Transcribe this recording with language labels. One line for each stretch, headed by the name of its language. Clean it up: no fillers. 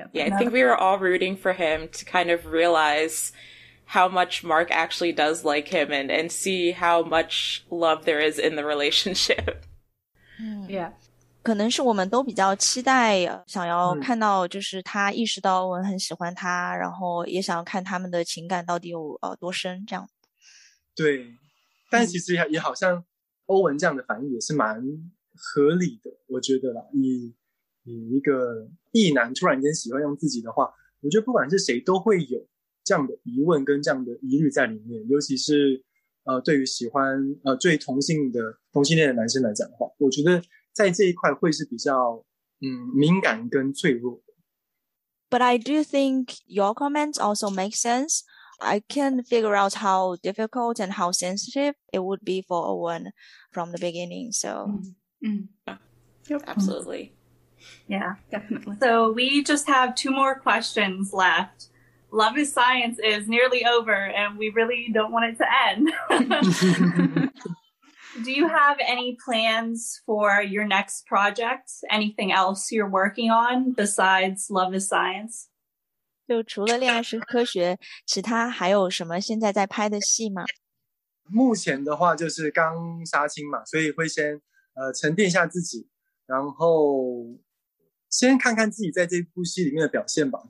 English: Yeah, I think we were all rooting for him to kind of realize how much Mark actually does like him and see how much love there is in the relationship. Yeah.
Chinese: 可能是我们都比较期待想要看到就是他意识到我很喜欢他，然后也想要看他们的情感到底有多深这样。对，但其实也好像欧文这样的反应也是蛮合理的，我觉得啦，以一个异男突然间喜欢上自己的话，我觉得不管是谁都会有这样的疑问跟这样的疑虑在里面，尤其是对于喜欢对同性的同性恋的男生来讲的话，我觉得在这一块会是比较敏感跟脆弱的。
English: But I do think your comments also make sense. I can figure out how difficult and how sensitive it would be for Owen from the beginning. So, absolutely. Yeah, definitely. So we just have two more questions left. Love is Science is nearly over and we really don't want it to end. Do you have any plans for your next project? Anything else you're working on besides Love is Science?
Chinese: 就除了恋爱是科学，其他还有什么现在在拍的戏吗？目前的话就是刚杀青嘛，所以会先沉淀一下自己，然后先看看自己在这部戏里面的表现吧。